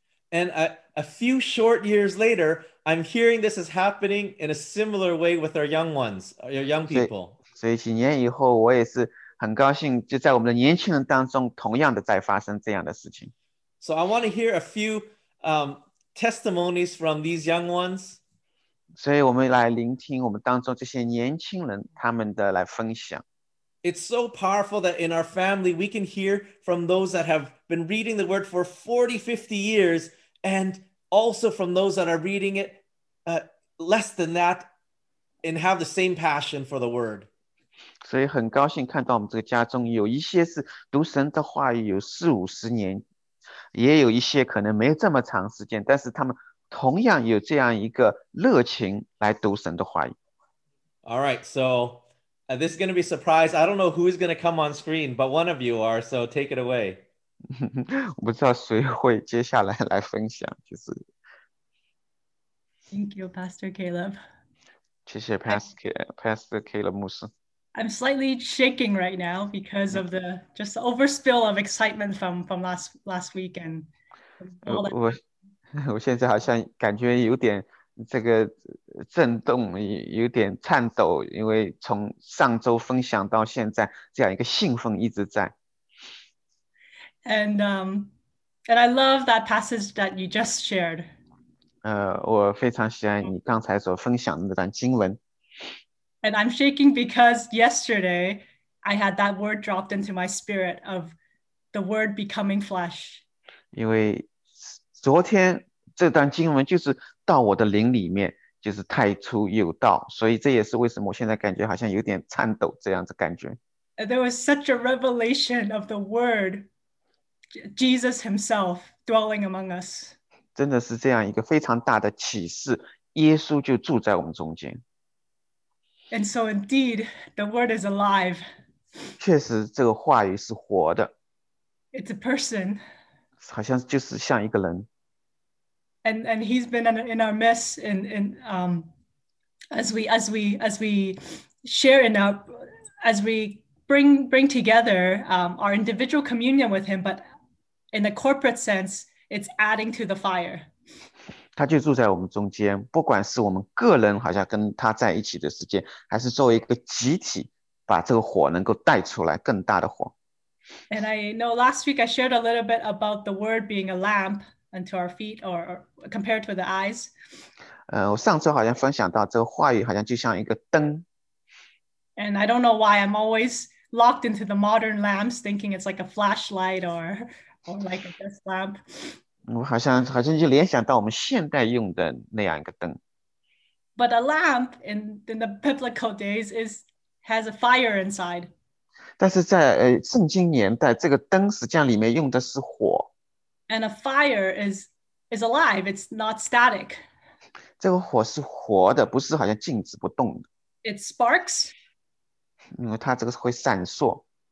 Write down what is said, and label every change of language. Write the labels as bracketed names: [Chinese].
[English] And a few short years later, I'm hearing this is happening in a similar way with our young ones, our young people. [Chinese] 所以几年以后，我也是很高兴，就在我们的年轻人当中，同样的在发生这样的事情。 [English] So I want to hear a few testimonies from these young ones. [Chinese] 所以我们来聆听我们当中这些年轻人他们的来分享。 [English] It's so powerful that in our family we can hear from those that have been reading the word for 40, 50 years, and also from those that are reading it less than that and have the same passion for the word. [Chinese] 所以很高兴看到我们这个家中有一些是读神的话语有四五十年，也有一些可能没有这么长时间，但是他们同样有这样一个热情来读神的话语。 [English] All right, so this is going to be a surprise. I don't know who is going to come on screen, but one of you are, so take it away. [Chinese] 不知道谁会接下来分享，就是。 [English] Thank you, Pastor Caleb. [Chinese] 谢谢 Pastor Caleb 牧师。 [English] I'm slightly shaking right now because of the just the overspill of excitement from last week and all that. [Chinese] 我现在好像感觉有点这个震动，有点颤抖，因为从上周分享到现在，这样一个兴奋一直在。 [English] And I love that passage that you just shared. [Chinese] 我非常喜欢你刚才所分享的那段经文。 [English] And I'm shaking because yesterday I had that word dropped into my spirit of the word becoming flesh. [Chinese] 因为昨天这段经文就是到我的灵里面，就是太初有道，所以这也是为什么我现在感觉好像有点颤抖这样子感觉。 [English] And there was such a revelation of the word Jesus himself dwelling among us. [Chinese] 真的是这样一个非常大的启示，耶稣就住在我们中间。 [English] And so indeed, the word is alive. [Chinese] 确实这个话语是活的。 [English] It's a person. [Chinese] 好像就是像一个人。 [English] And he's been in our midst as we bring together our individual communion with him, but in a corporate sense, it's adding to the fire. [Chinese] 他就住在我们中间，不管是我们个人好像跟他在一起的时间，还是作为一个集体，把这个火能够带出来，更大的火。 [English] And I know last week I shared a little bit about the word being a lamp unto our feet or compared to the eyes. [Chinese] 我上次好像分享到这个话语好像就像一个灯。 [English] And I don't know why I'm always locked into the modern lamps, thinking it's like a flashlight or like a desk lamp. [Chinese] 我好像就联想到我们现代用的那样一个灯。 [English] But a lamp in the biblical days has a fire inside. [Chinese] 但是在圣经年代，这个灯实际上里面用的是火。 [English] And a fire is alive. It's not static. [Chinese] 这个火是活的，不是好像静止不动的。 [English] It sparks. [Chinese] 因为它这个会闪烁。